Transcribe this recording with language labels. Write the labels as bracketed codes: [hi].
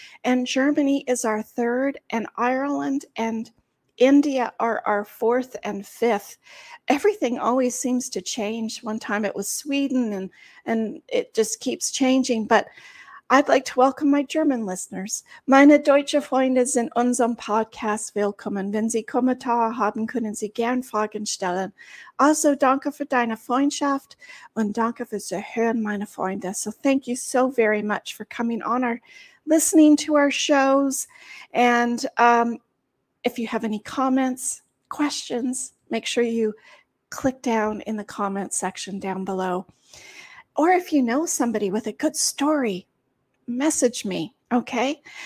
[en] And Germany is our third. And Ireland and India are our fourth and fifth. Everything always seems to change. One time it was Sweden, and it just keeps changing. But I'd like to welcome my German listeners. [de] Meine deutsche Freunde sind unserem Podcast willkommen. Wenn Sie Kommentare haben, können Sie gern Fragen stellen. Also, danke für deine Freundschaft und danke fürs Zuhören, meine Freunde. [en] So thank you so very much for coming on our, listening to our shows. And if you have any comments, questions, make sure you click down in the comment section down below. Or if you know somebody with a good story, message me, okay?